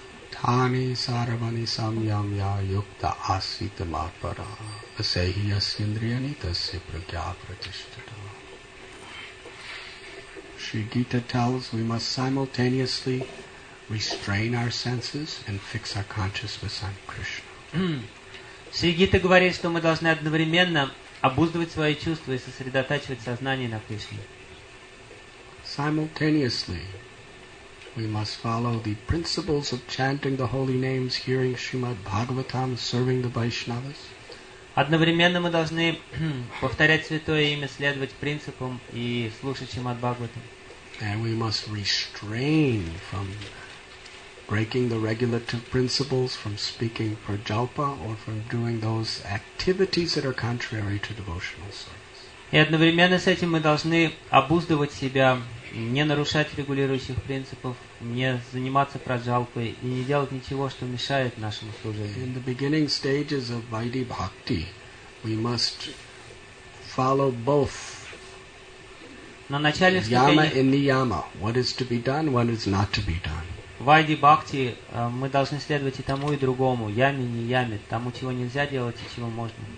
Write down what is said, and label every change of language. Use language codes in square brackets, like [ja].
[sa] Tani sarvani samyamya yukta asita mapara asehi asindriyani tasya pragya pratishtata. [en] Sri Gita tells we must simultaneously restrain our senses and fix our consciousness on Krishna. [ru] Шри Гита говорит, что мы должны одновременно обуздывать свои чувства и сосредотачивать сознание на Кришне. [en] Simultaneously, we must follow the principles of chanting the holy names, hearing Srimad Bhagavatam, serving the Vaishnavas. [ru] Одновременно мы должны повторять святое имя, следовать принципам и слушать Шримад Бхагаватам. [en] And we must restrain from breaking the regulative principles, from speaking prajalpa, or from doing those activities that are contrary to devotional service. [ru] И одновременно с этим мы должны обуздывать себя, не нарушать регулирующих принципов, не заниматься праджалпой и не делать ничего, что мешает нашему служению. [en] In the beginning stages of Vaidhi Bhakti, we must follow both yama and niyama. What is to be done, what is not to be done. [ru] В Vaidhi Bhakti мы должны следовать и тому, и другому, яме, нияме, тому, чего нельзя делать, и чего можно.